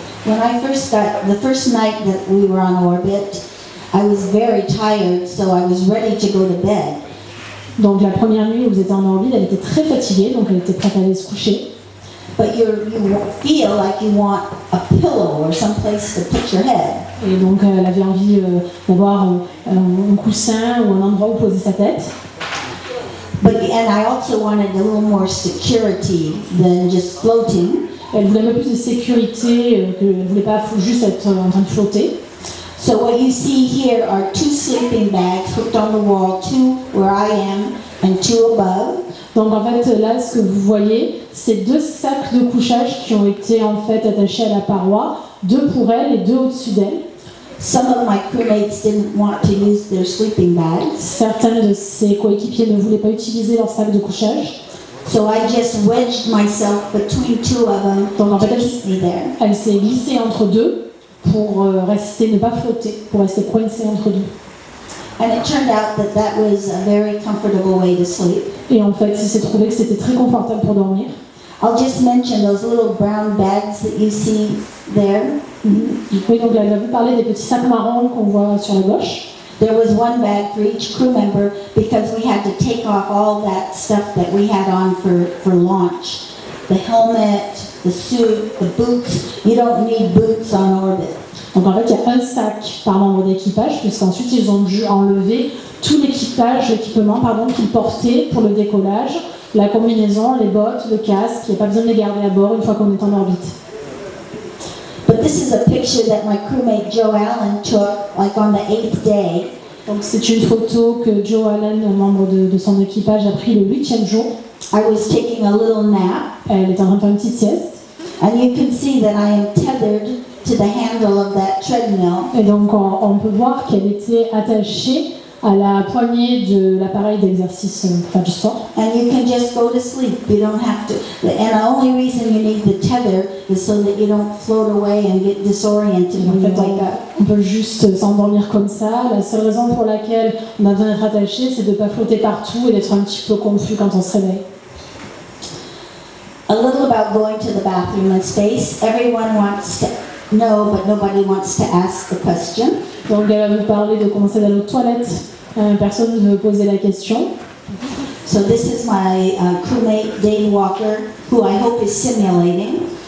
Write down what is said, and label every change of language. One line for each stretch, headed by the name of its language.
English: When I first got the first night that we were on orbit, I was very tired, so I was ready to go to bed.
French: Donc la première nuit, vous étiez en orbite, elle était très fatiguée, donc elle était prête à aller se coucher.
English: But you feel like you want a pillow or some place to put your head.
French: Et donc elle avait envie d'avoir un coussin ou un endroit où poser sa tête.
English: But and I also wanted a little more security than just floating.
French: Elle voulait un peu plus de sécurité, elle voulait pas juste être en train de flotter.
English: So what you see here are two sleeping bags hooked on the wall, two where I am and two above.
French: Donc en fait là, ce que vous voyez, c'est deux sacs de couchage qui ont été en fait attachés à la paroi, deux pour elle et deux au-dessus d'elle.
English: Some of my crewmates didn't want to use their sleeping bags.
French: Certains de ses coéquipiers ne voulaient pas utiliser leur sac de couchage.
English: So I just wedged myself between two of them.
French: Donc en fait, elle s'est glissée entre deux pour rester, ne pas flotter, pour rester coincé entre deux.
English: And it turned out that that was a very comfortable way to sleep.
French: Et en fait, il s'est trouvé que c'était très confortable pour dormir.
English: I'll just mention those little brown bags that you see there. Mm-hmm.
French: Oui, donc elle a parlé des petits sacs marrons qu'on voit sur la gauche.
English: There was one bag for each crew member because we had to take off all that stuff that we had on for launch. The helmet, the suit, the boots. You don't need boots on orbit.
French: Donc en fait, il y a un sac par membre d'équipage, puisqu'ensuite ils ont dû enlever tout l'équipement qu'ils portaient pour le décollage, la combinaison, les bottes, le casque. Il n'y a pas besoin de les garder à bord une fois qu'on est en orbite.
English: But this is a picture that my crewmate Joe Allen took, like on the eighth day.
French: Donc c'est une photo que Joe Allen, membre de son équipage, a pris le huitième jour.
English: I was taking a little nap.
French: Elle est en train de faire une petite sieste.
English: And you can see that I am tethered to the handle of that treadmill.
French: Et donc on peut voir qu'elle était attachée à la poignée de l'appareil d'exercice, enfin du sport.
English: And you can just go to sleep. You don't have to. And the only reason you need the tether is so that you don't float away and get disoriented when you wake up.
French: On peut juste s'endormir comme ça. La seule raison pour laquelle on a besoin d'être attaché, c'est de ne pas flotter partout et d'être un petit peu confus quand on se réveille.
English: A little about going to the bathroom in space. Everyone wants to know, but nobody wants to ask the question.
French: Donc elle va vous parler de commencer dans les toilettes. Personne ne veut poser la question.
English: So this is my crewmate Dave Walker, who I hope is simulating.